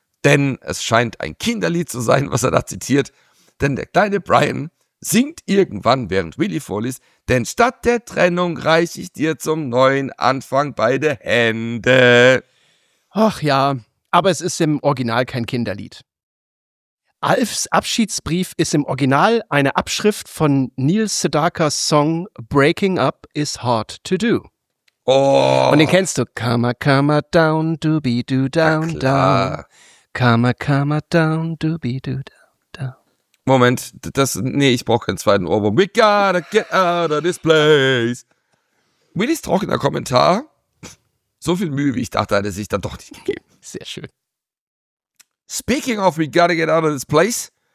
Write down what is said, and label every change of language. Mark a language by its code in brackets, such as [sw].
[de] Denn es scheint ein Kinderlied zu sein, was er da zitiert. Denn der kleine Brian singt irgendwann, während Willy vorliest, denn statt der Trennung reiche ich dir zum neuen Anfang beide Hände. Ach ja, aber es ist im Original kein Kinderlied. Alfs Abschiedsbrief ist im Original eine Abschrift von Neil Sedakas Song Breaking Up Is Hard to Do. Oh. Und den kennst du. Karma, karma, down, doobie, do, down, down. Karma, karma, down, doobie, do, down, down. Moment, das, nee, ich brauch keinen zweiten Ohrwurm. [en] We gotta get out of this place. [de] Willis trockener Kommentar. So viel Mühe, wie ich dachte, hätte sich dann doch nicht gegeben. Sehr schön. [en] Speaking of, we gotta get out of this place.